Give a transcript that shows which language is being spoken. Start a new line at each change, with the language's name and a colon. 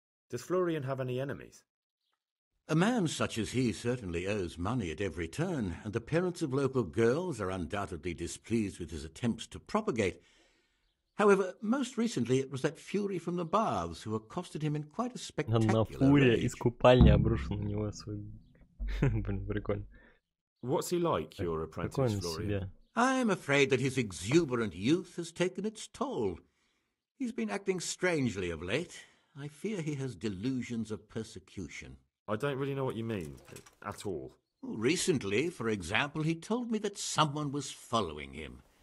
English: Does Florian have any enemies? A man such as he certainly owes money at every turn, and the parents of local girls are undoubtedly displeased with his attempts to propagate. However, most recently it was that fury from the baths who accosted him in quite a spectacular rage.
Russian: На фурия из купальни обрушил на него свой... Блин, прикольно.
English: What's he like, your apprentice, Florian? I'm afraid that his exuberant youth has taken its toll. He's been acting strangely of late. I fear he has delusions of persecution. I don't really know what you mean, at all. Recently, for example, he told me that someone was following him.